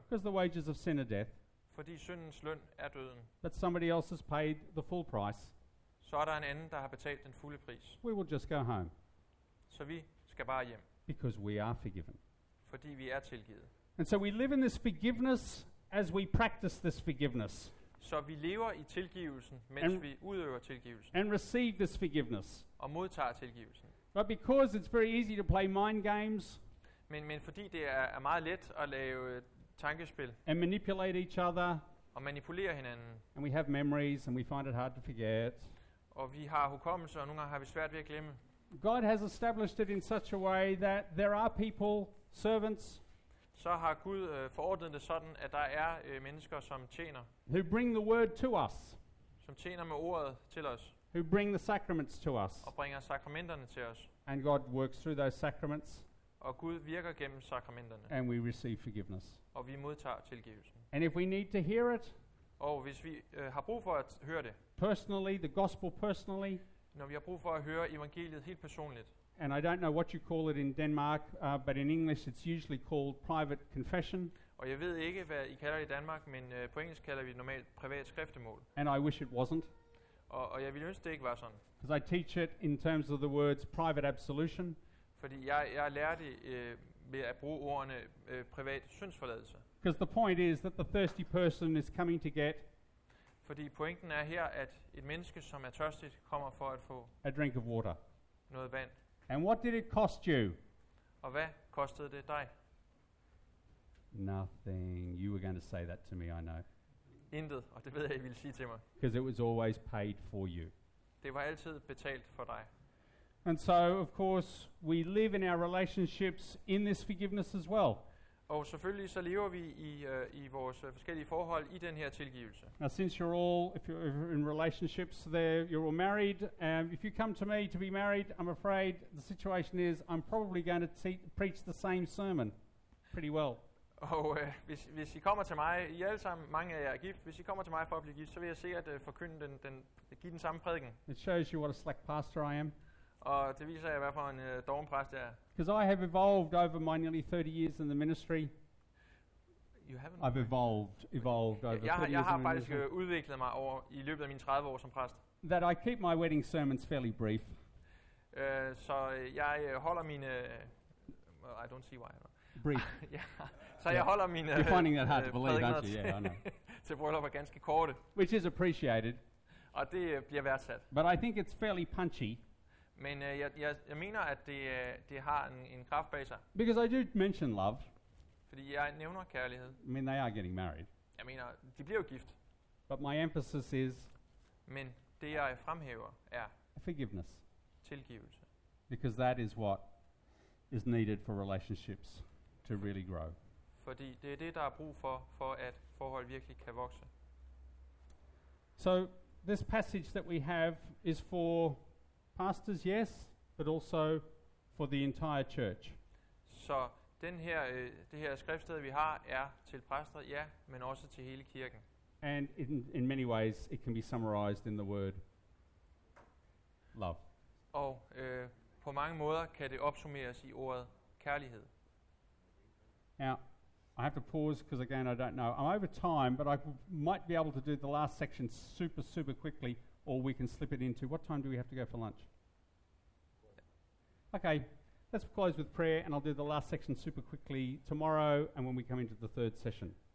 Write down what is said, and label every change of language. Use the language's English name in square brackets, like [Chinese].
[English] because the wages of sin are death, [Danish] fordi syndens løn er døden, [English] but somebody else has paid the full price, [Danish] så er der en anden der har betalt den fulde pris. [English] We will just go home. [Danish] Så vi skal bare hjem. [English] Because we are forgiven. [Danish] Fordi vi er tilgivet. [English] And so we live in this forgiveness as we practice this forgiveness. [Danish] Så vi lever i tilgivelsen, mens vi udøver tilgivelsen. [English] And receive this forgiveness. [Danish] Og modtager tilgivelsen. [English] But because it's very easy to play mind games. [Danish] Men fordi det er meget let at lave tankespil. [English] And manipulate each other. [Danish] Og manipulere hinanden. [English] And we have memories and we find it hard to forget. [Danish] Og vi har hukommelser, og nogle gange har vi svært ved at glemme. [English] God has established it in such a way that there are people, servants, [Danish] så har Gud forordnet det sådan at der er mennesker som tjener. [English] Who bring the word to us. [Danish] Som tjener med ordet til os. [English] Who bring the sacraments to us. [Danish] Og bringer sakramenterne til os. [English] And God works through those sacraments. [Danish] Og Gud virker gennem sakramenterne. [English] And we receive forgiveness. [Danish] Og vi modtager tilgivelsen. [English] And if we need to hear it. [Danish] Og hvis vi har brug for at høre det. [English] Personally, the gospel personally. [Danish] Når vi har brug for at høre evangeliet helt personligt. [English] And I don't know what you call it in Denmark, but in English it's usually called private confession. [Danish] Og jeg ved ikke hvad I kalder det i Danmark, men på engelsk kalder vi det normalt privat skriftemål. [English] And I wish it wasn't. [Danish] Og jeg ville ønske det ikke var sådan. [English] Because I teach it in terms of the words private absolution. [Danish] Fordi jeg lærer det ved at bruge ordene privat syndsforladelse. [English] Because the point is that the thirsty person is coming to get. [Danish] Fordi pointen er her at et menneske som er tørstigt kommer for at få [English] a drink of water. [Danish] Noget vand. [English] And what did it cost you? [Danish] Og hvad kostede det dig? [English] Nothing. You were going to say that to me, I know. [Danish] Intet, og det ved jeg, I ville sige til mig. [English] Because it was always paid for you. [Danish] Det var altid betalt for dig. [English] And so, of course, we live in our relationships in this forgiveness as well. [Danish] Og selvfølgelig så lever vi i vores forskellige forhold i den her tilgivelse. [English] Now, since you're all, if you're in relationships, there you're all married. If you come to me to be married, I'm afraid the situation is I'm probably going to preach the same sermon pretty well. [Danish] Og hvis I kommer til mig, I alle sammen, mange af jer er gift, hvis I kommer til mig for at blive gift, så vil jeg sikkert forkynde den give den samme prædiken. [English] It shows you what a slack pastor I am. [Danish] Og det viser jeg, hvad for en doven præst jeg er. [English] Because I have evolved over my nearly 30 years in the ministry. You haven't. I've evolved over 30 years. [Danish] Jeg har faktisk udviklet mig over i løbet af mine 30 år som præst. [English] That I keep my wedding sermons fairly brief. [Danish] Så jeg holder mine. [English] I don't see why. No. Brief. [Danish] Yeah. Så jeg holder mine. [English] You're finding that hard to believe, aren't you? Yeah, I know. [Danish] Til bryllup er ganske korte. [English] Which is appreciated. [Danish] Og det bliver værdsat. [English] But I think it's fairly punchy. [Danish] Men jeg mener at det har en kraft bag sig. [English] Because I do mention love. [Danish] Fordi jeg nævner kærlighed. [English] I mean they are getting married. [Danish] Jeg mener de bliver jo gift. [English] But my emphasis is. [Danish] Men det jeg fremhæver er [English] forgiveness. [Danish] Tilgivelse. [English] Because that is what is needed for relationships to really grow. [Danish] Fordi det er det der er brug for at forhold virkelig kan vokse. [English] So this passage that we have is for pastors, yes, but also for the entire church. [Danish] Så den her det her skriftsted vi har er til præster, ja, men også til hele kirken. [English] And in many ways it can be summarized in the word love. [Danish] Og på mange måder kan det opsummeres i ordet kærlighed. [English] Now, I have to pause because again I don't know. I'm over time, but I might be able to do the last section super super quickly. Or we can slip it into. What time do we have to go for lunch? Okay. Let's close with prayer, and I'll do the last section super quickly tomorrow and when we come into the third session.